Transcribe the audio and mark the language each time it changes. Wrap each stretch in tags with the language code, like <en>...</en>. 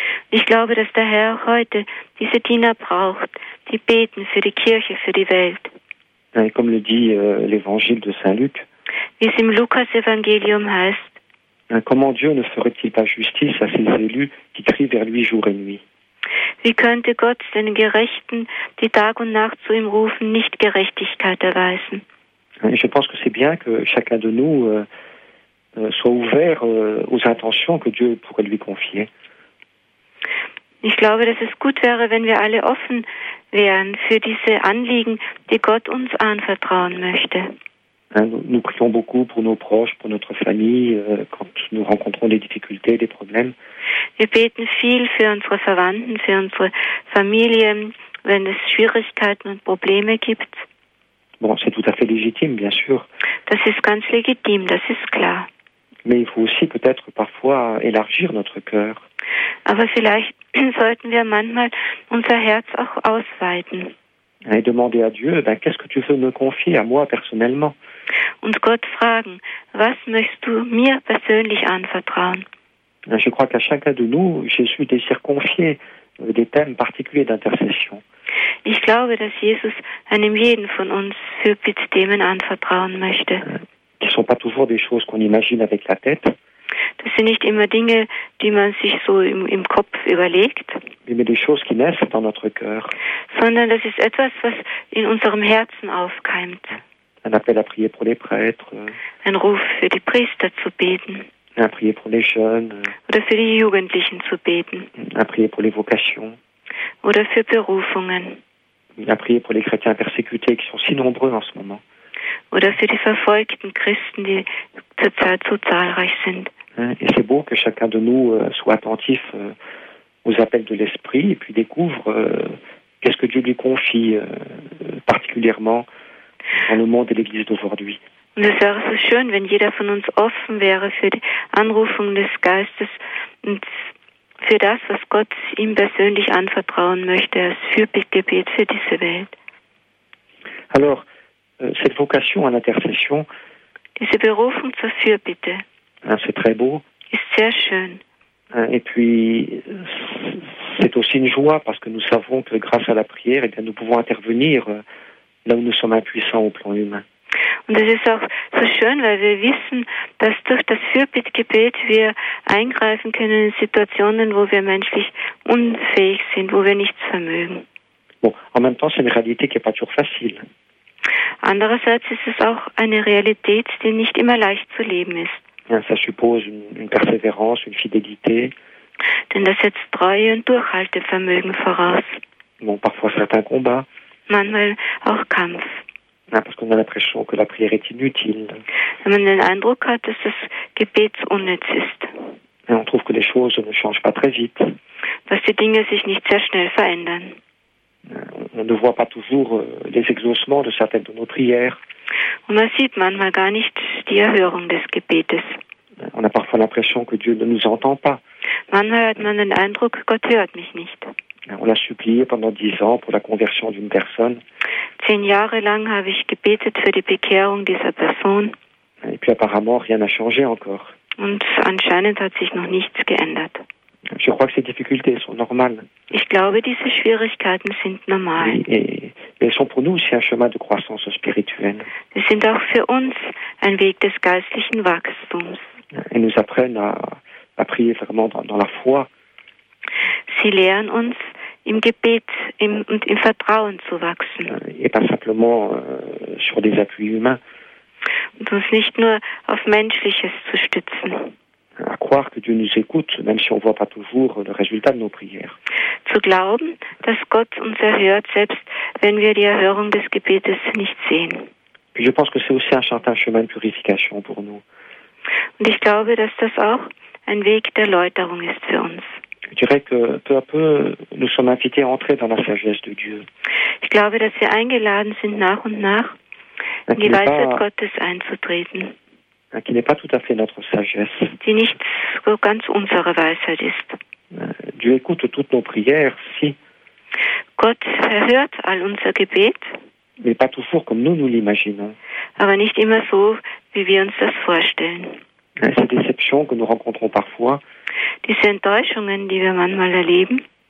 <de>Ich glaube, dass der Herr heute diese Diener braucht, die beten für die Kirche, für die Welt.</de> <fr>Et comme le dit l'Évangile de Saint-Luc.</fr> <de>Wie es im Lukas-Evangelium heißt.</de> <fr>Comment Dieu ne ferait-il pas justice à ses élus qui crient vers lui jour et nuit?</fr> <de>Wie könnte Gott den Gerechten, die Tag und Nacht zu ihm rufen, nicht Gerechtigkeit erweisen?</de> <fr>Je pense que c'est bien que chacun de nous soit ouvert aux intentions que Dieu pourrait lui confier.</fr> <de>Ich glaube, dass es gut wäre, wenn wir alle offen wären für diese Anliegen, die Gott uns anvertrauen möchte.</de> <fr>Nous prions beaucoup pour nos proches, pour notre famille, quand nous rencontrons des difficultés, des problèmes.</fr> <de>Wir beten viel für unsere Verwandten, für unsere Familie, wenn es Schwierigkeiten und Probleme gibt.</de> <fr>Bon, c'est tout à fait légitime, bien sûr.</fr> <de>Das ist ganz legitim, das ist klar.</de> <fr>Mais il faut aussi peut-être parfois élargir notre cœur.</fr> <de>Aber vielleicht sollten wir manchmal unser Herz auch ausweiten.</de> <fr>Et demander à Dieu, ben, qu'est-ce que tu veux me confier à moi personnellement?</fr> <de>Und Gott fragen, was möchtest du mir persönlich anvertrauen?</de> <fr>Je crois qu'à chacun de nous, Jésus désire confier des thèmes particuliers d'intercession.</fr> <de>Ich glaube, dass Jesus einem jeden von uns bestimmte Themen anvertrauen möchte.</de> <fr>Qui sont pas toujours des choses qu'on imagine avec la tête.</fr> <de>Das sind nicht immer Dinge, die man sich so im Kopf überlegt.</de> <fr>Mais des choses qui naissent dans notre cœur.</fr> <de>Sondern das ist etwas, was in unserem Herzen aufkeimt.</de> <fr>Un appel à prier pour les prêtres.</fr> <de>Ein Ruf für die Priester zu beten.</de> <fr>Un prier pour les jeunes.</fr> <de>Oder für die Jugendlichen zu beten.</de> <fr>Un prier pour les vocations.</fr> <de>Oder für Berufungen.</de> <fr>Un prier pour les chrétiens persécutés qui sont si nombreux en ce moment.</fr> <de>Oder für die verfolgten Christen, die zurzeit so zahlreich sind.</de> <fr>Et c'est beau que chacun de nous soit attentif aux appels de l'Esprit et puis découvre qu'est-ce que Dieu lui confie particulièrement dans le monde et l'Église d'aujourd'hui.</fr> <de>Und es wäre so schön, wenn jeder von uns offen wäre für die Anrufung des Geistes und für das, was Gott ihm persönlich anvertrauen möchte, als Fürbittgebet für diese Welt.</de> <fr>Alors, cette vocation à l'intercession,</fr> <de>diese Berufung zur Fürbitte,</de> <fr>c'est très beau.</fr> <de>Ist sehr schön.</de> <fr>Et puis, c'est aussi une joie, parce que nous savons que grâce à la prière, eh bien, nous pouvons intervenir là où nous sommes impuissants au plan humain.</fr> <de>Und es ist auch so schön, weil wir wissen, dass durch das Fürbittgebet wir eingreifen können in Situationen, wo wir menschlich unfähig sind, wo wir nichts vermögen.</de> <fr>Bon, en même temps, c'est une réalité qui est pas toujours facile.</fr> <de>Andererseits ist es auch eine Realität, die nicht immer leicht zu leben ist.</de> <fr>Ça suppose une persévérance, une fidélité.</fr> <de>Denn das setzt Treue und Durchhaltevermögen voraus.</de> <fr>Bon, parfois certains combats.</fr> <de>Manchmal auch Kampf.</de> <fr>Parce qu'on a l'impression que la prière est inutile.</fr> <de>Wenn man den Eindruck hat, dass das Gebet unnütz ist.</de> <fr>Et on trouve que les choses ne changent pas très vite.</fr> <de>Dass die Dinge sich nicht sehr schnell verändern.</de> <fr>On ne voit pas toujours les exaucements de certaines de nos prières.</fr> <de>Und man sieht manchmal gar nicht die Erhörung des Gebetes.</de> <fr>On a parfois l'impression que Dieu ne nous entend pas.</fr> <de>Manchmal hat man den Eindruck, Gott hört mich nicht.</de> <fr>On a supplié pendant 10 ans pour la conversion d'une personne.</fr> <de>10 Jahre lang habe ich gebetet für die Bekehrung dieser Person.</de> <fr>Et puis apparemment, rien n'a changé encore.</fr> <de>Und anscheinend hat sich noch nichts geändert.</de> <fr>Je crois que ces difficultés sont normales.</fr> <de>Ich glaube, diese Schwierigkeiten sind normal.</de> <fr>Et elles sont pour nous aussi un chemin de croissance spirituelle.</fr> <de>Sie sind auch für uns ein Weg des geistlichen Wachstums.</de> <fr>Elles nous apprennent à prier vraiment dans la foi.</fr> <de>Sie lehren uns, im Gebet und im Vertrauen zu wachsen.</de> <fr>Et pas simplement sur des appuis humains.</fr> <de>Und uns nicht nur auf Menschliches zu stützen.</de> <fr>À croire que Dieu nous écoute, même si on voit pas toujours le résultat de nos prières.</fr> <de>Zu glauben, dass Gott uns erhört, selbst wenn wir die Erhörung des Gebetes nicht sehen.</de> <fr>Puis je pense que c'est aussi un certain chemin de purification pour nous.</fr> <de>Und ich glaube, dass das auch ein Weg der Läuterung ist für uns.</de> <fr>Je dirais que peu à peu, nous sommes invités à entrer dans la sagesse de Dieu.</fr> <de>Ich glaube, dass wir eingeladen sind, nach und nach in die Weisheit Gottes einzutreten.</de> <fr>Qui n'est pas tout à fait notre sagesse.</fr> <de>Die nicht so ganz unsere Weisheit ist.</de> <fr>Dieu écoute toutes nos prières, si.</fr> <de>Gott erhört all unser Gebet.</de> <fr>Mais pas toujours comme nous l'imaginons.</fr> <de>Aber nicht immer so, wie wir uns das vorstellen.</de> <fr>Ces déceptions que nous rencontrons parfois.</fr> <de>Diese Enttäuschungen, die wir manchmal erleben,</de>